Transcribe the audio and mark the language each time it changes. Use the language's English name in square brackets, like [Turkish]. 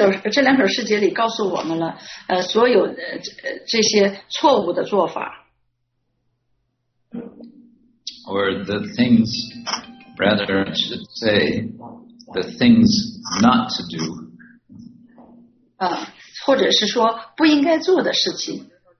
[Chinese] 这两首诗节里告诉我们了，所有这些错误的做法。 [English] Or the things, rather, I should say, the things not to do. [Chinese] 或者是说不应该做的事情。